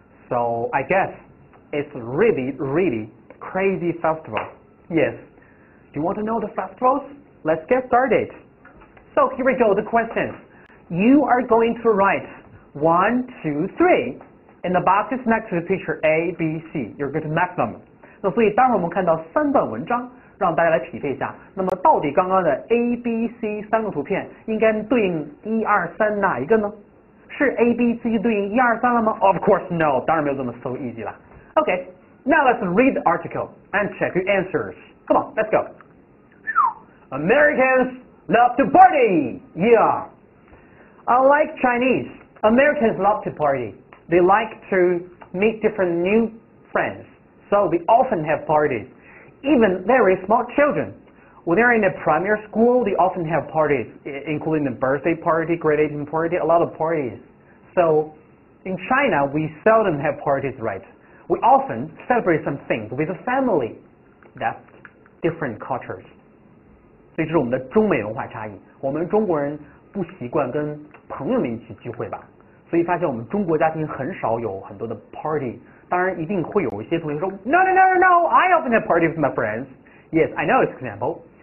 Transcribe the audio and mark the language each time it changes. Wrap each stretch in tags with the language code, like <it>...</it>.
<en>So I guess it's really, really crazy festival. Yes. Do you want to know the festivals? Let's get started. So here we go, the questions. You are going to write 1, 2, 3 in the boxes next to the picture A, B, C. You're going to mark them.</en> <zh>那所以当我们看到三段文章，让大家来匹配一下。那么到底刚刚的 A, B, C 三个图片应该对应一二三哪一个呢？是 A, B, C 对应一二三了吗 ？</zh> <en>Of course no，</en> <zh>当然没有这么</zh> <en>so easy</en> <zh>啦。</zh> <en>Okay， now let's read the article and check your answers. Come on， let's go. Americans love to party. Yeah. Unlike Chinese, Americans love to party. They like to meet different new friends, so they often have parties. Even very small children, when they're in a primary school, they often have parties, including the birthday party, graduation party, a lot of parties. So, in China, we seldom have parties, right? We often celebrate some things with a family. That's different cultures.</en> <zh>这是我们的中美文化差异。我们中国人不习惯跟朋友们一起聚会吧？所以发现我们中国家庭很少有很多的 party。当然，一定会有一些同学说 ，No!</zh> <en>I often have parties with my friends. Yes, I know it's example.</en>